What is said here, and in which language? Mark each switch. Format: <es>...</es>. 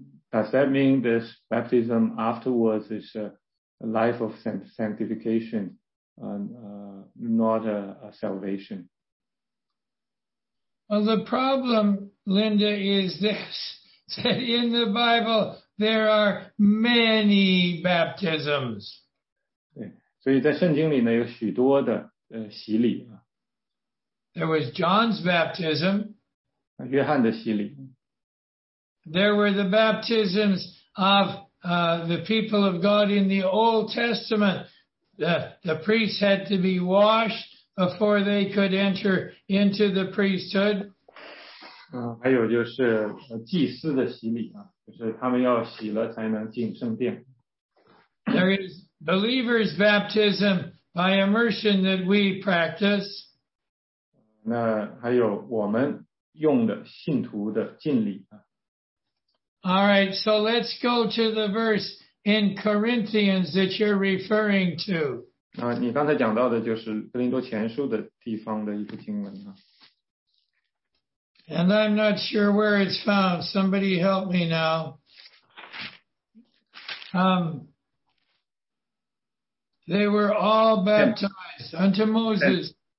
<en>Does that mean this baptism afterwards is a life of sanctification, not a salvation? Well, the problem, Linda, is this, that in the Bible, there are many baptisms.</en> <zh>所以在圣经里呢有许多的洗礼啊。</zh> <en>There was John's baptism.</en> <zh>约翰的洗礼。</zh> <en>There were the baptisms of the people of God in the Old Testament. The priests had to be washed before they could enter into the priesthood.</en> <zh>还有就是祭司的洗礼啊，就是他们要洗了才能进圣殿。</zh> <en>There is believers' baptism by immersion that we practice.</en> <zh>那还有我们用的信徒的浸礼。</zh> <en>All right, so let's go to the verse in Corinthians that you're referring to.</en> <zh>你刚才讲到的就是哥林多前书的地方的一个经文啊。</zh> <en>And I'm not sure where it's found. Somebody help me now. They were all baptized unto Moses.</en>